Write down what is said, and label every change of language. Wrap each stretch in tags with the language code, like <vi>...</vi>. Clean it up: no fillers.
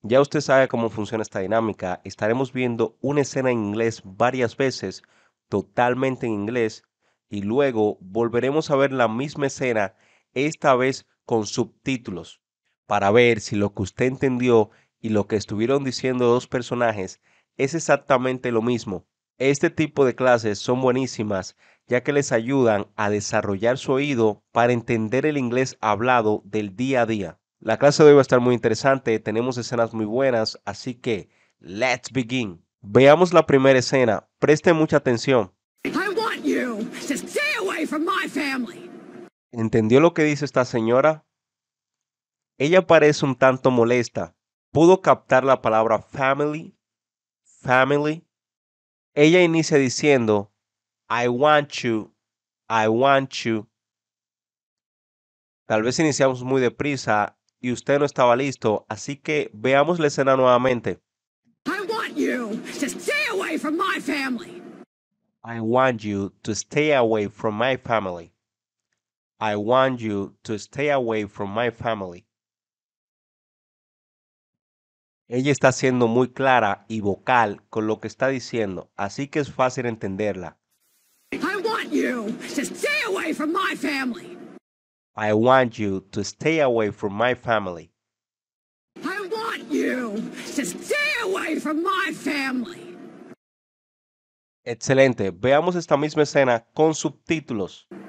<es>Ya usted sabe cómo funciona esta dinámica. Estaremos viendo una escena en inglés varias veces, totalmente en inglés, y luego volveremos a ver la misma escena, esta vez con subtítulos, para ver si lo que usted entendió y lo que estuvieron diciendo dos personajes es exactamente lo mismo. Este tipo de clases son buenísimas, ya que les ayudan a desarrollar su oído para entender el inglés hablado del día a día. La clase de hoy va a estar muy interesante, tenemos escenas muy buenas, así que, let's begin. Veamos la primera escena, preste mucha atención.</es> <en>I want you to stay away from my family.</en> <es>¿Entendió lo que dice esta señora? Ella parece un tanto molesta. ¿Pudo captar la palabra family?</es> <en>Family.</en> <es>Ella inicia diciendo, I want you. Tal vez iniciamos muy deprisa y usted no estaba listo, así que veamos la escena nuevamente.</es> <en>I want you to stay away from my family. I want you to stay away from my family. I want you to stay away from my family.</en> <es>Ella está siendo muy clara y vocal con lo que está diciendo, así que es fácil entenderla.</es> <en>I want you to stay away from my family. I want you to stay away from my family. I want you to stay away from my family.</en> <es>Excelente. Veamos esta misma escena con subtítulos.</es>